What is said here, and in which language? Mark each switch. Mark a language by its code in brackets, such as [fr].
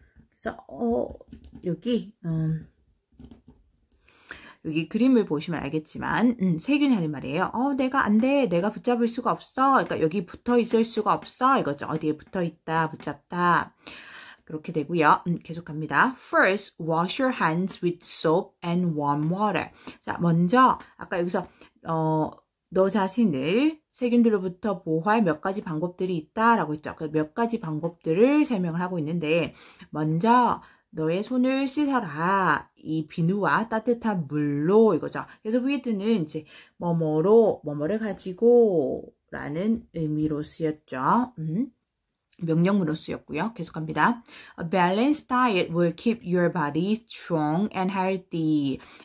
[ko] 그래서 여기 그림을 보시면 알겠지만 세균이 하는 말이에요. 내가 안 돼. 내가 붙잡을 수가 없어. 그러니까 여기 붙어 있을 수가 없어. 이거죠. 어디에 붙어 있다, 붙잡다. 그렇게 되고요. 계속합니다. [en] First, wash your hands with soap and warm water. [ko] 자, 먼저 아까 여기서 너 자신을 세균들로부터 보호할 몇 가지 방법들이 있다라고 했죠. 그몇 가지 방법들을 설명을 하고 있는데, 먼저 너의 손을 씻어라. 이 비누와 따뜻한 물로 이거죠. 그래서 with는 이제 뭐뭐로 뭐뭐를 가지고라는 의미로 쓰였죠. 명령문으로 쓰였고요. 계속합니다. [en] A balanced diet will keep your body strong and healthy.